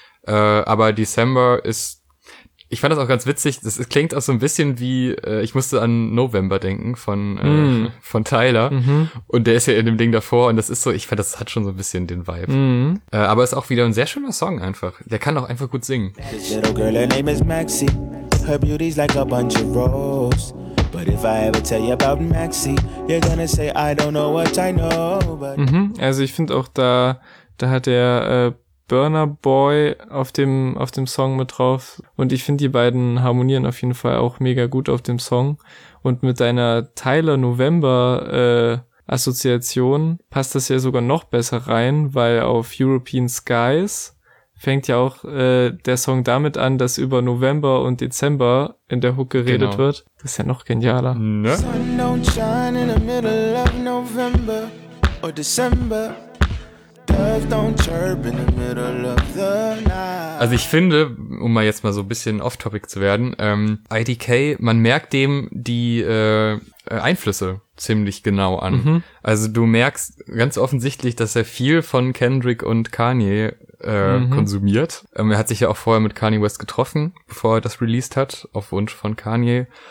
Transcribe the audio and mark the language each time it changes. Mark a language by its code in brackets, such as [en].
[de] Aber December ist, ich fand das auch ganz witzig, das klingt auch so ein bisschen wie, ich musste an November denken von Tyler. Mhm. Und der ist ja in dem Ding davor, und das ist so, ich fand, das hat schon so ein bisschen den Vibe. Mhm. Aber ist auch wieder ein sehr schöner Song einfach. Der kann auch einfach gut singen. [en] Little girl, her name is Maxi. Her beauty's like a bunch of rose. But if I ever tell you about Maxi, you're gonna say I don't know what I know. [de] Also ich finde auch, da hat der Burner Boy auf dem Song mit drauf. Und ich finde, die beiden harmonieren auf jeden Fall auch mega gut auf dem Song. Und mit deiner Tyler November Assoziation passt das ja sogar noch besser rein, weil auf European Skies fängt ja auch der Song damit an, dass über November und Dezember in der Hook geredet wird. Das ist ja noch genialer. Ne? [en] Sun don't shine in the middle of November or December. Doves don't chirp in the middle of the night. [de] Also ich finde, um mal jetzt mal so ein bisschen off-topic zu werden, IDK, man merkt dem die Einflüsse ziemlich genau an. Mhm. Also du merkst ganz offensichtlich, dass er viel von Kendrick und Kanye konsumiert. Er hat sich ja auch vorher mit Kanye West getroffen, bevor er das released hat, auf Wunsch von Kanye.